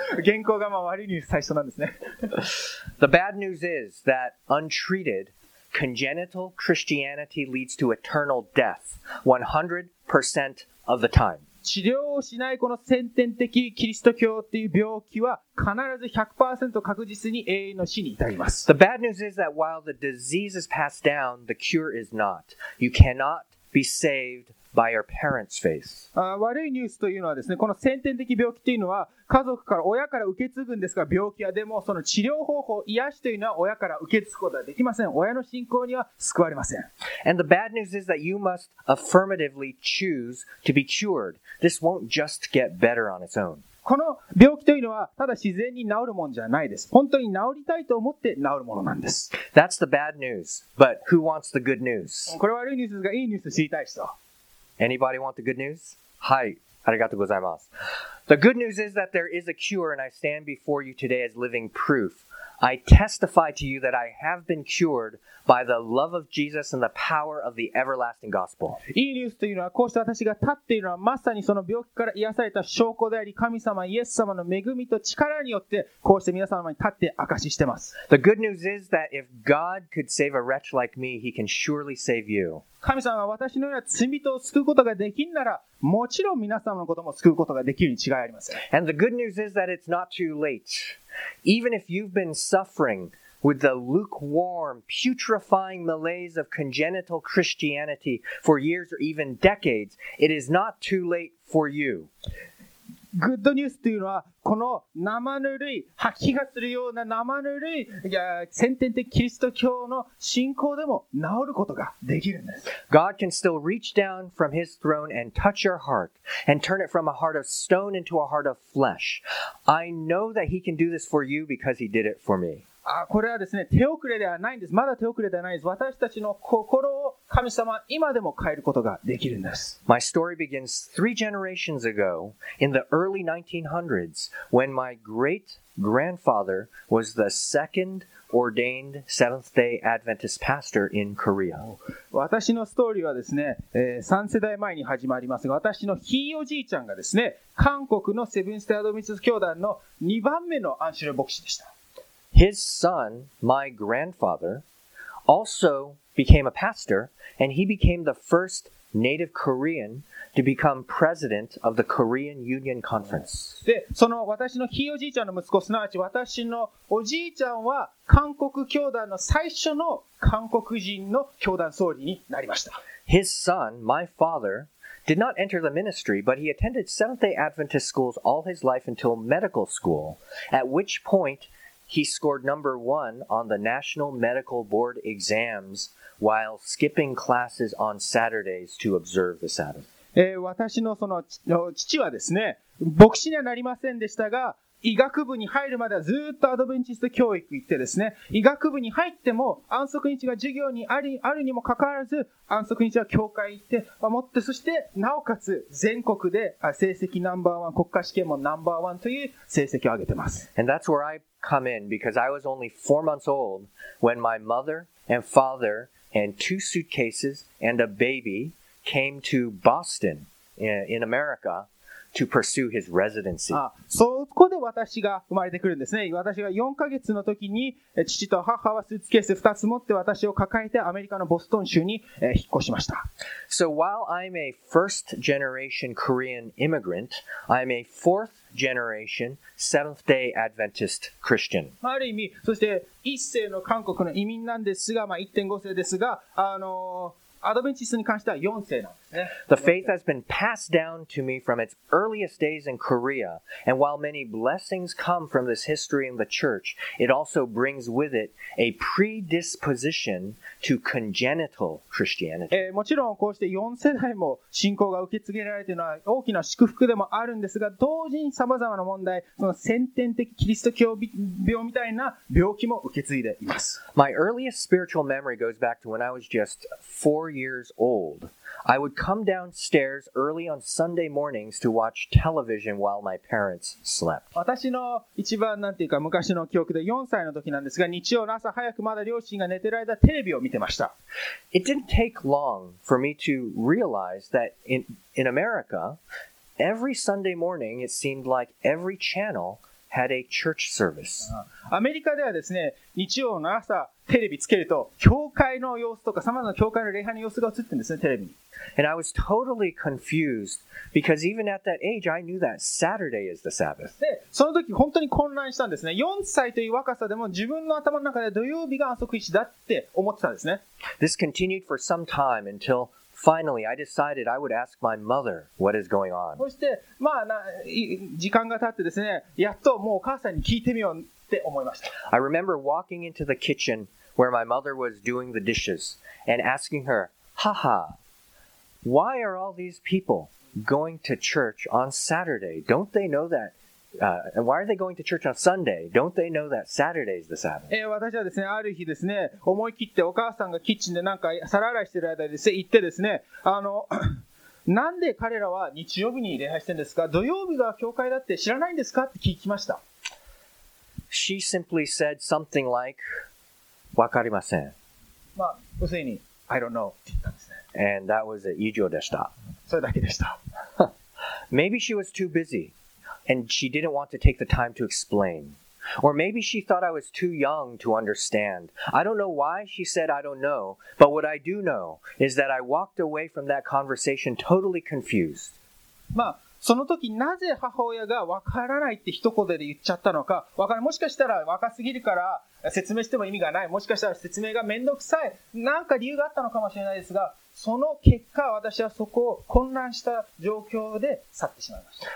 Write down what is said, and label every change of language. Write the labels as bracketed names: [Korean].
[Japanese] 原稿がまあ悪いニュース最初なんですね。 [English] The bad news is that untreated congenital Christianity leads to eternal death 100% of the time. [Japanese] 治療をしないこの先天的キリスト教っていう病気は必ず 100% 確実に永遠の死に至ります。 [English] The bad news is that while the disease is passed down, the cure is not. You cannot be saved by your parents' faith. [Japanese] 悪いニュースというのはですね、この先天的病気というのは家族から親から受け継ぐんですが、病気はでもその治療方法、癒しというのは親から受け継ぐことはできません。親の信仰には救われません。 [English] And the bad news is that you must affirmatively choose to be cured. This won't just get better on its own. [Japanese] この病気というのはただ自然に治るもんじゃないです。本当に治りたいと思って治るものなんです。 [English] That's the bad news, but who wants the good news? [Japanese] これ悪いニュースですが、いいニュース知りたい人。 [English] Anybody want the good news? [Japanese] はい、ありがとうございます。 [English] The good news is that there is a cure and I stand before you today as living proof. I testify to you that I have been cured by the love of Jesus and the power of the everlasting gospel. [Japanese] いいニュースというのは、こうして私が立っているのは、まさにその病気から癒された証拠であり、神様、イエス様の恵みと力によって、こうして皆様に立って証ししてます。 [English] The good news is that if God could save a wretch like me, he can surely save you. [Japanese] 神様が私のような罪人を救うことができるなら、もちろん皆様のことも救うことができるに違いありません。 [English] And the good news is that it's not too late. Even if you've been suffering,With the lukewarm, putrefying malaise of congenital Christianity for years or even decades, it is not too late for you. [Japanese] Good news というのは、この生ぬるい、吐き気がするような生ぬるい、先天的キリスト教の信仰でも治ることができるんです。 [English] God can still reach down from his throne and touch your heart and turn it from a heart of stone into a heart of flesh. I know that he can do this for you because he did it for me. [Japanese] これはですね、手遅れではないんです。まだ手遅れではないんです。私たちの心を神様は今でも変えることができるんです。 [English] My story begins three generations ago in the early 1900s when my great grandfather was the second ordained Seventh-day Adventist pastor in Korea. [Japanese] 私のストーリーはですね、3世代前に始まりますが、私のひいおじいちゃんがですね、韓国のセブンス・デイ・アドベンチスト教団の2番目の安息日牧師でした。 [English] His son, my grandfather, also became a pastor, and he became the first native Korean to become president of the Korean Union Conference. [Japanese] で、その私のひいおじいちゃんの息子、すなわち私のおじいちゃんは韓国教団の最初の韓国人の教団総理になりました。 [English] His son, my father,Did not enter the ministry, but he attended Seventh-day Adventist schools all his life until medical school, at which point he scored number one on the National Medical Board exams while skipping classes on Saturdays to observe the Sabbath. [Japanese] 私のその父はですね、牧師にはなりませんでしたが、医学部に入るまではずっとアドベンチスト教育行ってですね、医学部に入っても安息日が授業にあるにもかかわらず、安息日は教会行って守って、そしてなおかつ全国で成績ナンバーワン、国家試験もナンバーワンという成績を上げてます。 [English] And that's where I come in because I was only 4 months old when my mother and father and 2 suitcases and a baby came to Boston in America to pursue his residency. [Japanese] あ、そこで私が生まれてくるんですね。私が4ヶ月の時に父と母はスーツケース2つ持って私を抱えてアメリカのボストン州に引っ越しました。 [English] So while I'm a first generation Korean immigrant, I'm a fourth generation Seventh-day Adventist Christian. [Japanese] ある意味、そして一世の韓国の移民なんですが、まあ、1.5 世ですが、アドベンチストに関しては4世なんですね。 [English] The faith has been passed down to me from its earliest days in Korea, and while many blessings come from this history in the church, it also brings with it a predisposition to congenital Christianity. [Japanese] もちろんこうして4世代も信仰が受け継げられているのは大きな祝福でもあるんですが、同時にさまざまな問題、その先天的キリスト教病みたいな病気も受け継いでいます。 [English] My earliest spiritual memory goes back to when I was just four years old, I would come downstairs early on Sunday mornings to watch television while my parents slept. [Japanese] 私の一番なんていうか昔の記憶で4歳の時なんですが、日曜の朝早くまだ両親が寝てる間テレビを見てました。 [English] It didn't take long for me to realize that in America, every Sunday morning it seemed like every channel had a church service. [Japanese] アメリカではですね、日曜の朝テレビつけると教会の様子とか様々な教会の礼拝の様子が映ってるんですね、テレビに。 [English] And I was totally confused because even at that age I knew that Saturday is the Sabbath. [Japanese] で、その時本当に混乱したんですね。4歳という若さでも自分の頭の中で土曜日が安息日だって思ってたんですね。 [English] This continued for some time until finally I decided I would ask my mother what is going on. [Japanese] そして、まあ、時間が経ってですね、やっともうお母さんに聞いてみよう。 [English] I remember walking into the kitchen where my mother was doing the dishes and asking her, Haha, why are all these people going to church on Saturday? Don't they know that? Why are they going to church on Sunday? Don't they know that Saturday is the Sabbath? [Japanese] 私はですね、ある日ですね、思い切ってお母さんがキッチンでなんか皿洗いしてる間で行ってですね、なんで彼らは日曜日に礼拝してるんですか？土曜日が教会だって知らないんですか？って聞きました。 [English] She simply said something like, [Japanese] わかりません。まあ、要するに、 [English] I don't know [Japanese] って言ったんですね。 [English] And that was it. [Japanese] 以上でした。それだけでした。 [English] Maybe she was too busy and she didn't want to take the time to explain. Or maybe she thought I was too young to understand. I don't know why she said I don't know, but what I do know is that I walked away from that conversation totally confused. [Japanese] まあ、その時なぜ母親がわからないって一言で言っちゃったのか、わからない。もしかしたら若すぎるから説明しても意味がない。もしかしたら説明がめんどくさい。なんか理由があったのかもしれないですが、その結果私はそこを混乱した状況で去ってしまいました。